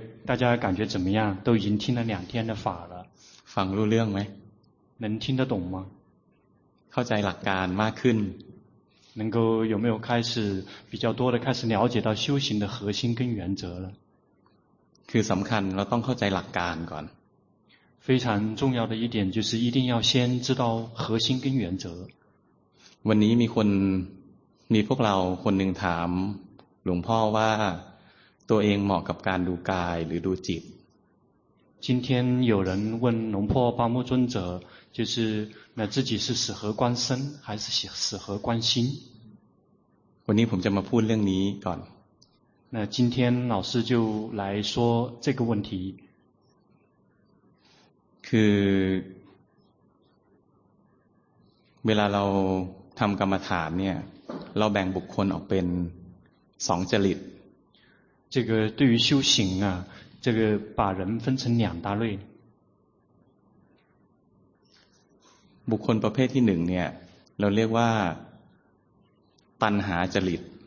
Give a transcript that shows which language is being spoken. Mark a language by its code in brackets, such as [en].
[zh] 大家感觉怎么样都已经听了两天的法了 [th] ฟังรู้เรื่องไหม [zh] 能听得懂吗 [th] เข้าใจหลักการมากขึ้น [zh] 能够有没有开始比较多的开始了解到修行的核心跟原则了 [th] คือสำคัญเราต้องเข้าใจหลักการก่อน [zh] 非常重要的一点就是一定要先知道核心跟原则 [th] วันนี้มีพวกเราคนหนึ่งถามหลวงพ่อว่าตัวเองเหมาะกับการดูกายหรือดูจิต [zh] 今天有人问龙婆巴木尊者就是那自己是适合观身还是适合观心 [th] วันนี้ผมจะมาพูดเรื่องนี้ก่อน [zh] 那今天老师就来说这个问题 [th] คือเวลาเราทำกรรมฐานเนี่ยเราแบ่งบุคคลออกเป็น2จริต [zh] 这个对于修行啊这个把人分成两大类 [th] บุคคลประเภทที่1เนี่ยเราเรียกว่าตัณหาจริต